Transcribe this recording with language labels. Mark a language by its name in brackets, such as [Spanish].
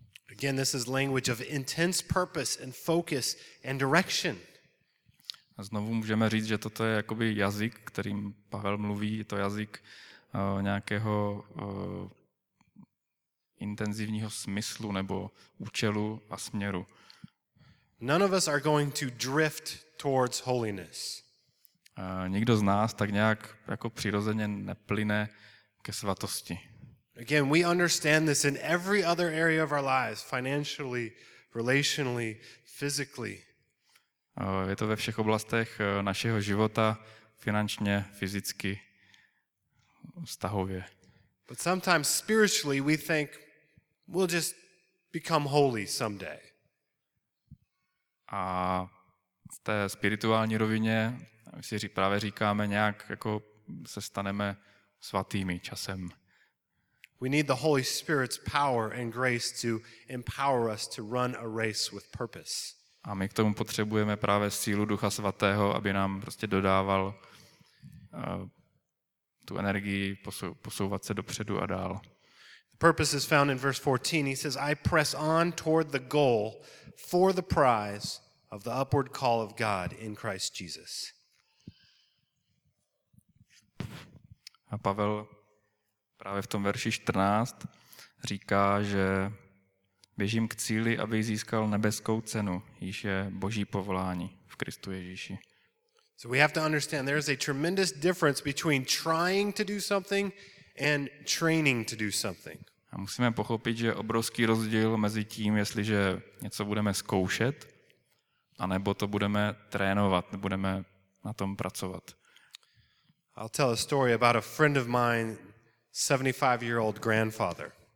[English] Again, this is language of intense purpose and focus and direction. [Czech] A znovu můžeme říct, že toto je jakoby jazyk, kterým Pavel mluví. Je to jazyk nějakého intenzivního smyslu nebo účelu a směru. [English] None of us are going to drift towards holiness. [Czech] Nikdo z nás tak nějak jako přirozeně neplyne ke svatosti. [English] Again, we understand this in every other area of our lives, financially, relationally, physically. [Czech] Je to ve všech oblastech našeho života, finančně, fyzicky, vztahově. [English] But sometimes spiritually we think we'll just become holy someday. [Czech] A v té spirituální rovině si právě říkáme nějak jako se staneme svatými časem. [English] We need the Holy Spirit's power and grace to empower us to run a race with purpose. [Czech] A my k tomu potřebujeme právě sílu Ducha Svatého, aby nám prostě dodával tu energii posouvat se dopředu a dál. [English] The purpose is found in verse 14. He says, I press on toward the goal for the prize of the upward call of God in Christ Jesus. [Czech] A Pavel právě v tom verši 14 říká, že běžím k cíli, aby získal nebeskou cenu, již je Boží povolání v Kristu Ježíši. [English] So we have to understand there is a tremendous difference between trying to do something and training to do something. [Czech] A musíme pochopit, že je obrovský rozdíl mezi tím, jestliže něco budeme zkoušet, anebo to budeme trénovat, budeme na tom pracovat. [English] I'll tell a story about a friend of mine, 75-year-old grandfather.